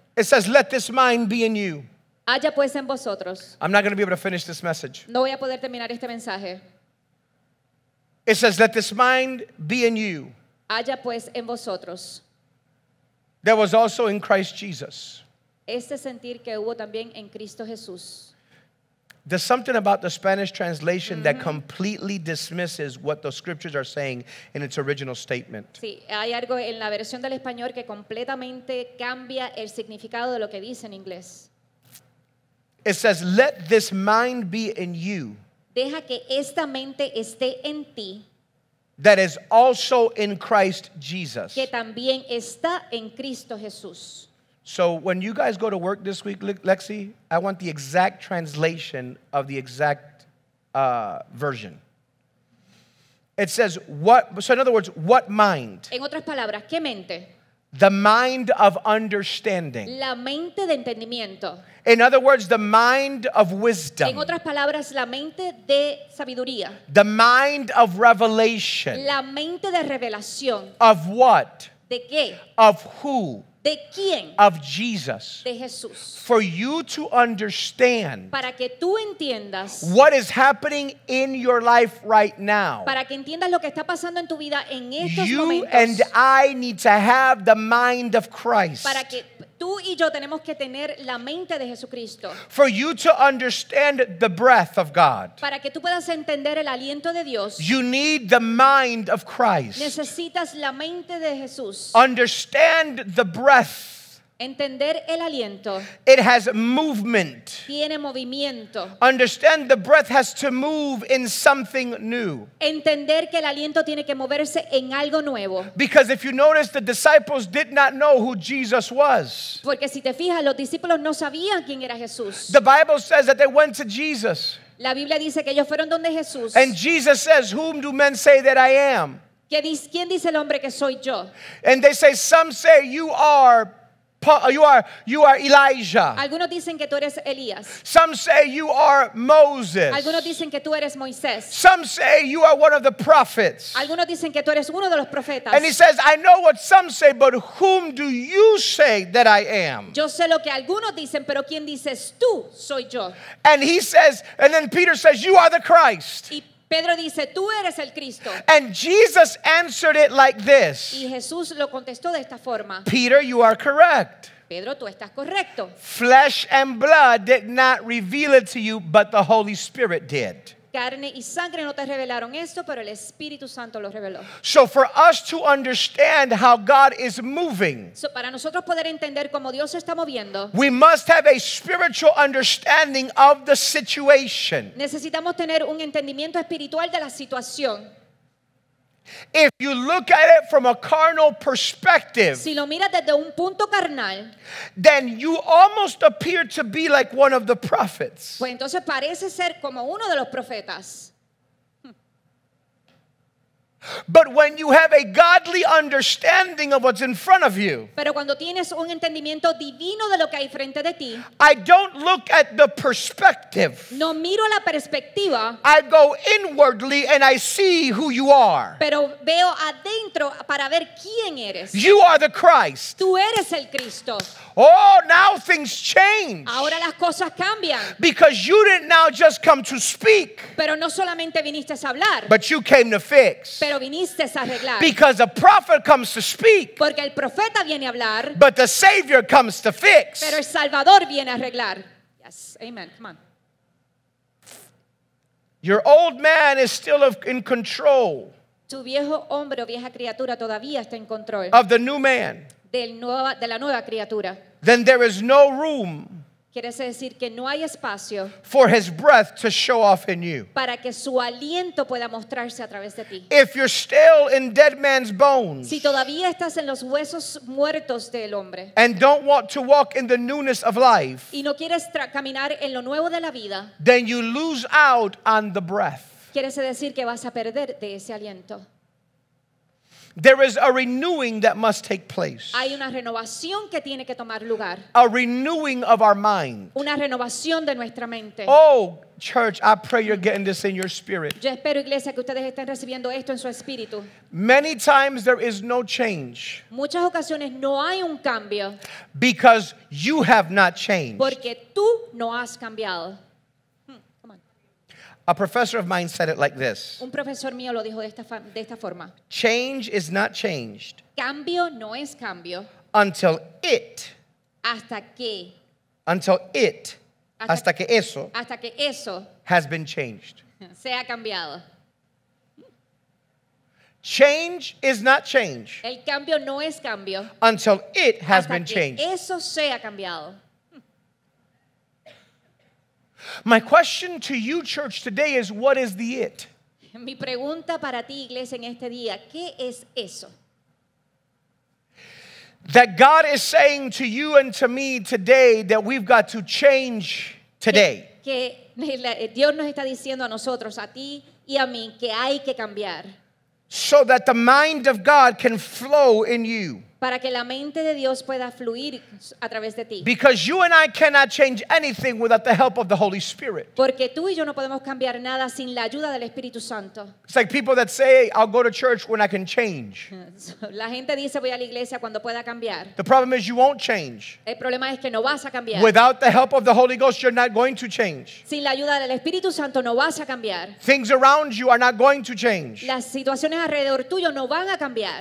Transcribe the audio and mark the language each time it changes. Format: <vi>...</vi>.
<en>it says, let this mind be in you.</en> <es>Haya pues en vosotros.</es> <en>I'm not going to be able to finish this message.</en> <es>No voy a poder terminar este mensaje.</es> <en>It says, let this mind be in you.</en> <es>Haya pues en vosotros.</es> <en>There was also in Christ Jesus.</en> <es>Este sentir que hubo también en Cristo Jesús.</es> <en>There's something about the Spanish translation mm-hmm. that completely dismisses what the scriptures are saying in its original statement.</en> <es>Sí, hay algo en la versión del español que completamente cambia el significado de lo que dice en inglés.</es> <en>It says, let this mind be in you.</en> <es>Deja que esta mente esté en ti.</es> <en>That is also in Christ Jesus.</en> <es>Que también está en Cristo Jesús.</es> <en>So when you guys go to work this week, Lexi, I want the exact translation of the exact version. It says what. So in other words, what mind?</en> <es>En otras palabras, ¿qué mente?</es> <en>The mind of understanding.</en> <es>La mente de entendimiento.</es> <en>In other words, the mind of wisdom.</en> <es>En otras palabras, la mente de sabiduría.</es> <en>The mind of revelation.</en> <es>La mente de revelación.</es> <en>Of what?</en> <es>De qué?</es> <en>Of who?</en> <es>De quién?</es> <en>Of Jesus.</en> <es>De Jesús.</es> <en>For you to understand.</en> <es>Para que tú entiendas.</es> <en>What is happening in your life right now.</en> <es>Para que entiendas lo que está pasando en tu vida en estos momentos.</es> <en>You and I need to have the mind of Christ.</en> <es>Para que tú y yo tenemos que tener la mente de Jesucristo.</es> <en>For you to understand the breath of God.</en> <es>Para que tú puedas entender el aliento de Dios.</es> <en>You need the mind of Christ.</en> <es>Necesitas la mente de Jesús.</es> <en>Understand the breath.</en> <es>Entender el aliento.</es> <en>It has movement.</en> <es>Tiene movimiento.</es> <en>Understand the breath has to move in something new.</en> <es>Entender que el aliento tiene que moverse en algo nuevo.</es> <en>Because if you notice, the disciples did not know who Jesus was.</en> <es>Porque si te fijas, los discípulos no sabían quién era Jesús.</es> <en>The Bible says that they went to Jesus.</en> <es>La Biblia dice que ellos fueron donde Jesús.</es> <en>And Jesus says, "Whom do men say that I am?"</en> <es>¿Qué dice, quién dice el hombre que soy yo?</es> <en>And they say, "Some say you are." You are Elijah.</en> <es>Algunos dicen que tú eres Elías.</es> <en>Some say you are Moses.</en> <es>Algunos dicen que tú eres Moisés.</es> <en>Some say you are one of the prophets.</en> <es>Algunos dicen que tú eres uno de los profetas.</es> <en>And he says, "I know what some say, but whom do you say that I am?"</en> <es>Yo sé lo que algunos dicen, pero ¿quién dices tú soy yo?</es> <en>And he says, and then Peter says, "You are the Christ."</en> <es>Pedro dice, tú eres el Cristo.</es> <en>And Jesus answered it like this.</en> <es>Y Jesús lo contestó de esta forma.</es> <en>Peter, you are correct.</en> <es>Pedro, tú estás correcto.</es> <en>Flesh and blood did not reveal it to you, but the Holy Spirit did.</en> <es>Carne y sangre no te revelaron esto, pero el Espíritu Santo lo reveló.</es> <en>So for us to understand how God is moving,</en> <es>so para nosotros poder entender cómo Dios se está moviendo,</es> <en>we must have a spiritual understanding of the situation.</en> <es>Necesitamos tener un entendimiento espiritual de la situación.</es> <en>If you look at it from a carnal perspective,</en> <es>si lo miras desde un punto carnal,</es> <en>then you almost appear to be like one of the prophets.</en> <es>Pues entonces parece ser como uno de los profetas.</es> <en>But when you have a godly understanding of what's in front of you,</en> <es>pero cuando tienes un entendimiento divino de lo que hay frente de ti,</es> <en>I don't look at the perspective.</en> <es>No miro la perspectiva.</es> <en>I go inwardly and I see who you are.</en> <es>Pero veo adentro para ver quién eres.</es> <en>You are the Christ.</en> <es>Tú eres el Cristo.</es> <en>Oh, now things change.</en> <es>Ahora las cosas cambian.</es> <en>Because you didn't now just come to speak.</en> <es>Pero no solamente viniste a hablar.</es> <en>But you came to fix.</en> <es>Pero viniste a arreglar.</es> <en>Because a prophet comes to speak.</en> <es>Porque el profeta viene a hablar.</es> <en>But the Savior comes to fix.</en> <es>Pero el Salvador viene a arreglar.</es> <en>Yes, amen. Come on. Your old man is still in control.</en> <es>Tu viejo hombre o vieja criatura todavía está en control.</es> <en>Of the new man.</en> <es>De la nueva criatura.</es> <en>Then there is no room.</en> <es>Quiere decir que no hay espacio.</es> <en>For his breath to show off in you.</en> <es>Para que su aliento pueda mostrarse a través de ti.</es> <en>If you're still in dead man's bones.</en> <es>Si todavía estás en los huesos muertos del hombre.</es> <en>And don't want to walk in the newness of life.</en> <es>Y no quieres caminar en lo nuevo de la vida.</es> <en>Then you lose out on the breath.</en> <es>Quiere decir que vas a perder de ese aliento.</es> <en>There is a renewing that must take place.</en> <es>Hay una renovación que tiene que tomar lugar.</es> <en>A renewing of our mind.</en> <es>Una renovación de nuestra mente.</es> <en>Oh, church, I pray you're getting this in your spirit.</en> <es>Yo espero, iglesia, que ustedes estén recibiendo esto en su espíritu.</es> <en>Many times there is no change.</en> <es>Muchas ocasiones no hay un cambio.</es> <en>Because you have not changed.</en> <es>Porque tú no has cambiado.</es> <en>A professor of mine said it like this.</en> <es>Un profesor mío lo dijo de esta forma.</es> <en>Change is not changed.</en> <es>Cambio no es cambio.</es> <en>Until it.</en> <es>Hasta que.</es> <en>Until it.</en> <es>Hasta que eso. Hasta que eso.</es> <en>Has been changed.</en> <es>Se ha cambiado.</es> <en>Change is not change.</en> <es>El cambio no es cambio.</es> <en>Until it has been changed.</en> <es>Hasta que eso se ha cambiado.</es> <en>My question to you, church, today is, what is the it?</en> <es>Mi pregunta para ti, iglesia, en este día, ¿qué es eso?</es> <en>That God is saying to you and to me today that we've got to change today.</en> <es>Que Dios nos está diciendo a nosotros, a ti y a mí, que hay que cambiar.</es> <en>So that the mind of God can flow in you.</en> <es>Para que la mente de Dios pueda fluir a través de ti.</es> <en>Because you and I cannot change anything without the help of the Holy Spirit.</en> <es>Porque tú y yo no podemos cambiar nada sin la ayuda del Espíritu Santo.</es> <en>It's like people that say, I'll go to church when I can change.</en> <es>La gente dice, voy a la iglesia cuando pueda cambiar.</es> <en>The problem is you won't change.</en> <es>El problema es que no vas a cambiar.</es> <en>Without the help of the Holy Ghost, you're not going to change.</en> <es>Sin la ayuda del Espíritu Santo, no vas a cambiar.</es> <en>Things around you are not going to change.</en> <es>Las situaciones alrededor tuyo no van a cambiar.</es>